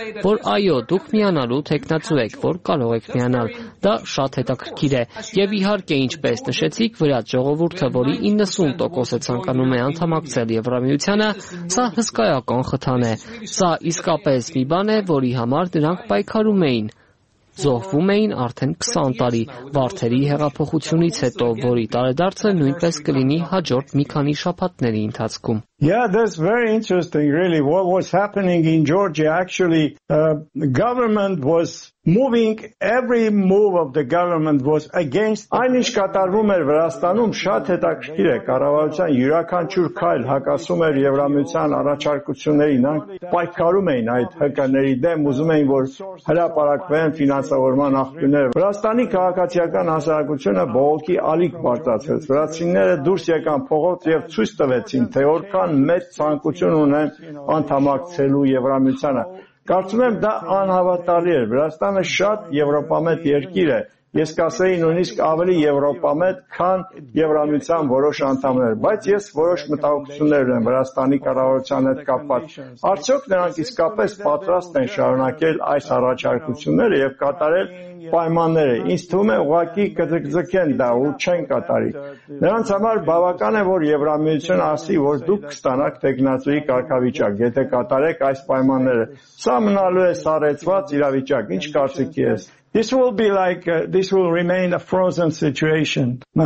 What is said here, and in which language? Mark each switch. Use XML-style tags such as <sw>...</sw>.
<hy>որ այո, դուք միանալու տեխնացու եք, որ կարող եք միանալ։ Դա շատ հետաքրքիր է, եւ իհարկե, ինչպես նշեցիք, վրաց ժողովուրդը, որի 90% ցանկանում է անդամակցել Եվրամիությանը, սա հսկայական խթան է։ Սա իսկապես մի բան է, որի համար նրանք պայքարում էին, զոհվում էին արդեն 20 տարի Վարդերի հեղափոխությունից հետո, որի տարեդարձը նույնպես կլինի հաջորդ մի քանի շաբաթների ընթացքում։</hy> <en>Yeah, that's very interesting, really, what was happening in Georgia. Actually, government was moving, every move of the government was against.</en> <hy>Այն ինչ կատարվում էր Վրաստանում, շատ հետաքրքիր է, կառավարության յուրաքանչյուր քայլ հակասում էր Եվրամիության առաջարկությունների, նրանք պայքարում էին այդ ՀԿ-ների դեմ, ուզում էին, որ հրապարակվեն ֆինանսավորման աղբյուրները։ Վրաստանի քաղաքացիական հասարակությունը բողոքի ալիք բարձրացրեց, վրացինները դուրս եկան փողոց և ցույց տվեցին, թե որքան մեծ ցանկություն ունեն անդամակցելու Եվրամիությանը։ Կարծում եմ, դա անհավատալի է, Վրաստանը շատ եվրոպամետ երկիր է, ես կասեի նույնիսկ ավելի եվրոպամետ, քան Եվրամիության որոշ անդամներ, բայց ես որոշ մտահոգություններ ունեմ Վրաստանի կառավարության հետ կապված։ Արդյոք նրանք իսկապես պատրաստ են շարունակել այս առաջարկությունները և կատարել պայմանները։ Ինձ թվում է, ուղղակի կձգձգեն դա ու չեն կատարի։ Նրանց համար բավական է, որ Եվրամիությունը ասի, որ դուք կստանաք տեղնացուի կարգավիճակ, եթե կատարեք այս պայմանները։ Սա մնալու է սարեցված իրավիճակ, ինչ կարծիքի ես։</hy> <en>This will be like this will remain a frozen situation.</en>